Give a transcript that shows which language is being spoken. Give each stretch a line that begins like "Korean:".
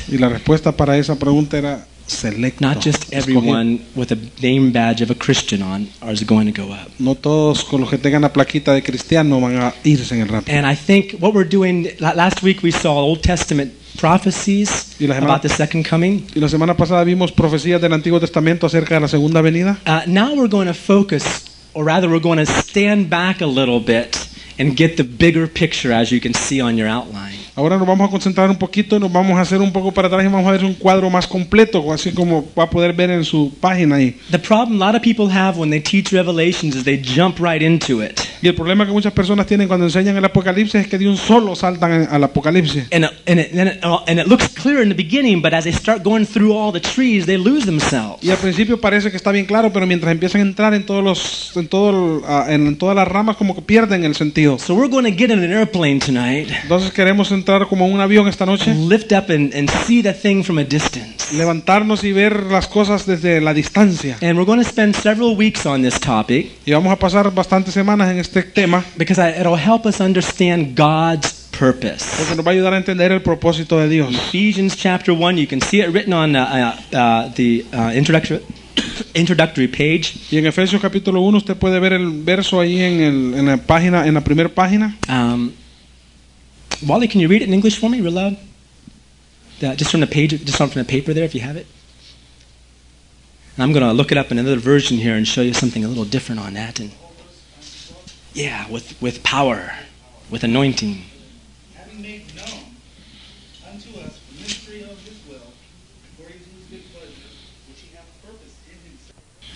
Spanish: Y la respuesta para esa pregunta era selecto.
English: Not just everyone with a name badge of a Christian on is going to go up.
Spanish: No todos con los que tengan la plaquita de cristiano van a irse en el rapto.
English: And I think what we're doing last week we saw Old Testament prophecies about the second coming.
Spanish: Y la semana pasada vimos profecías del Antiguo Testamento acerca de la segunda venida.
English: Now we're going to focus, or rather, we're going to stand back a little bit and get the bigger picture, as you can see on your outline.
Spanish: Ahora nos vamos a concentrar un poquito, nos vamos a hacer un poco para atrás y vamos a ver un cuadro más completo, así como va a poder ver en su página ahí.
English: The problem a lot of people have when they teach Revelations is they jump right into it.
Spanish: Y el problema que muchas personas tienen cuando enseñan el Apocalipsis es que de un solo saltan al Apocalipsis.
English: And it looks clear in the beginning, but as they start going through all the trees, they lose themselves.
Spanish: Y al principio parece que está bien claro, pero mientras empiezan a entrar en todas las ramas, como que pierden el sentido.
English: So we're going to get in an airplane tonight.
Spanish: Entonces queremos entrar como un avión esta noche.
English: Lift up and see the thing from a distance.
Spanish: Levantarnos y ver las cosas desde la distancia.
English: And we're going to spend several weeks on this topic.
Spanish: Y vamos a pasar bastantes semanas en este tema.
English: Because it'll help us understand God's purpose.
Spanish: Porque nos va a ayudar a entender el propósito de Dios.
English: Ephesians chapter 1, you can see it written on the introductory page.
Spanish: Y en Efesios capítulo 1 usted puede ver el verso ahí en la primera página.
English: Wally, can you read it in English for me, real loud? Just from the paper there, if you have it. And I'm going to look it up in another version here and show you something a little different on that. And yeah, with power, with anointing. Having made known unto us the mystery of his will, for his good pleasure, which he hath purposed in himself.